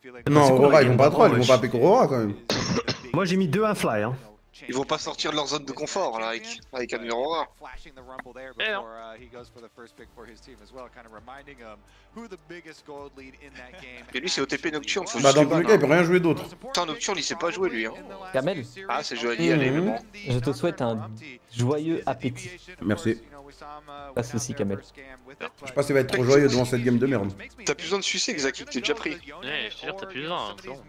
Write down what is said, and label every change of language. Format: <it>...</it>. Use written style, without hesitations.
<fr>Non, Aurora, ils vont pas trop, ils vont pas piquer Aurora quand même. Moi j'ai mis 2-1 fly. Hein. Ils vont pas sortir de leur zone de confort là avec un numéro 1.</fr> <en>Flashing the rumble there before he goes for the first pick for his team as well, kind of reminding him who the biggest gold lead in that game.</en> <fr>Et lui c'est OTP Nocturne, faut juste. Bah dans le cas il peut rien jouer d'autre. Putain Nocturne il sait pas jouer lui hein. Kamel. Ah c'est joli, allez, mais bon. Je te souhaite un joyeux appétit. Merci. Pas ceci Kamel. Je sais pas s'il va être trop joyeux devant cette game de merde. T'as plus besoin de sucer Xaki, t'es déjà pris. Ouais, je te jure, t'as plus besoin, c'est bon.</fr>